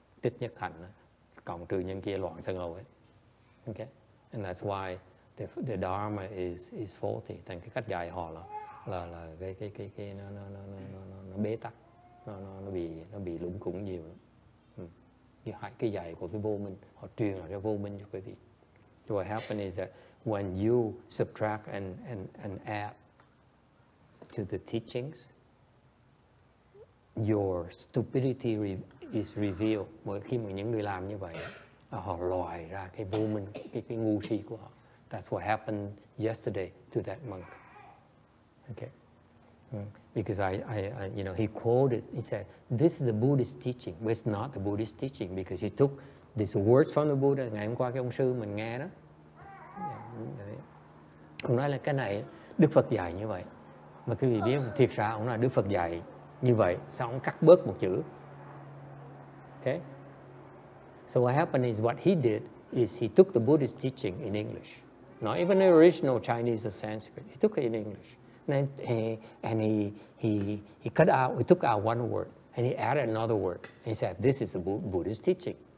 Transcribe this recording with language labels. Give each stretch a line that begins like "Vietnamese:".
Vietnamese: Tích nhất hạnh cộng trừ những kia loạn sân hầu hết.
English: Okay, and that's why the dharma is faulty.
Vietnamese: Thành cái cách dạy họ là cái nó bế tắc, nó bị lủng củng nhiều lắm. Cái dạy của cái vô minh, họ truyền lại cái vô minh cho quý vị.
English: So what happens is that when you subtract and add to the teachings, your stupidity is revealed.
Vietnamese: Mỗi khi mà những người làm như vậy, họ loại ra cái vô minh, cái ngu si của họ.
English: That's what happened yesterday to that monk. Okay. Because I you know, he quoted, he said, this is the Buddhist teaching. Well, it's not the Buddhist teaching, because he took these words from the Buddha.
Vietnamese: Ngày hôm qua cái ông sư mình nghe đó. Ông nói là cái này Đức Phật dạy như vậy. Mà quý vị biết không? Thiệt ra ông nói Đức Phật dạy như vậy. Sao ông cắt bớt một chữ? Okay.
English: So what happened is what he did is he took the Buddhist teaching in English. Not even the original Chinese or Sanskrit. He took it in English. And he took out one word and he added another word. And he said, this is the Buddhist teaching.